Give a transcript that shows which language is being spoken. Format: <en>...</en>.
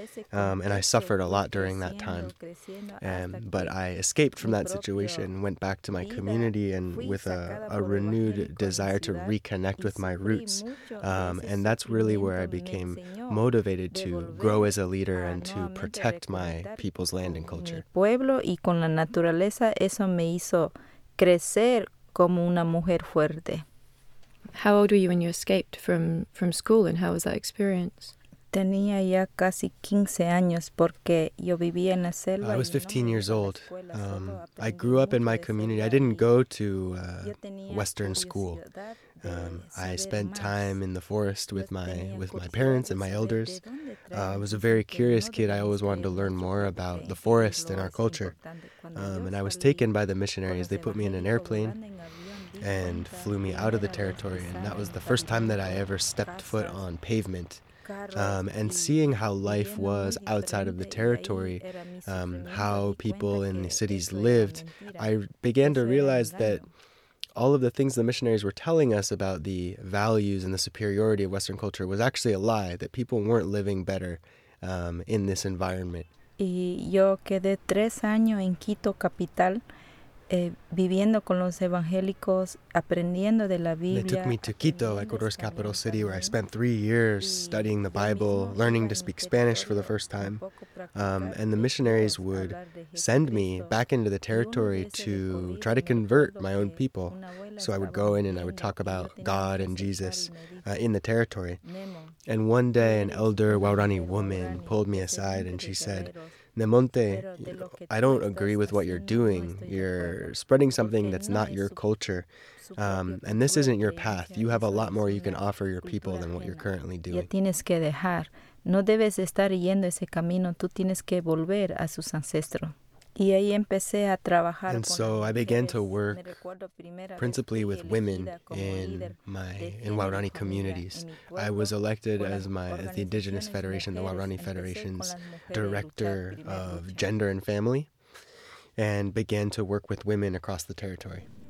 <en>And I suffered a lot during that time. But I escaped from that situation, went back to my community and with a renewed desire to reconnect with my roots. And that's really where I became motivated to grow as a leader and to protect my people's land and culture.</en> <es>Pueblo y con la naturaleza, eso me hizo crecer como una mujer fuerte.</es> <en>How old were you when you escaped from school, and how was that experience?</en> <es>Tenía ya casi 15 años porque yo vivía en la selva.</es> <en>I was 15 years old. I grew up in my community. I didn't go to Western school. I spent time in the forest with my parents and my elders. I was a very curious kid. I always wanted to learn more about the forest and our culture. And I was taken by the missionaries. They put me in an airplane and flew me out of the territory. And that was the first time that I ever stepped foot on pavement. And seeing how life was outside of the territory, how people in the cities lived, I began to realize that all of the things the missionaries were telling us about the values and the superiority of Western culture was actually a lie, that people weren't living better in this environment.</en> <es>Y yo quedé 3 años en Quito capital, viviendo con los evangélicos, aprendiendo de la Biblia.</es> <en>They took me to Quito, Ecuador's capital city, where I spent 3 years studying the Bible, learning to speak Spanish for the first time. And the missionaries would send me back into the territory to try to convert my own people. So I would go in and I would talk about God and Jesus in the territory. And one day, an elder Waurani woman pulled me aside and she said, "Nemonte, you know, I don't agree with what you're doing. You're spreading something that's not your culture. And this isn't your path. You have a lot more you can offer your people than what you're currently doing."</en> <es>Tienes que dejar. No debes estar yendo ese camino. Tú tienes que volver a sus ancestros. Y ahí empecé a trabajar.</es> <en>And so I began to work principally with women in Waurani communities. I was elected as the Indigenous Federation, the Waurani Federation's Director of Gender and Family, and began to work with women across the territory.</en>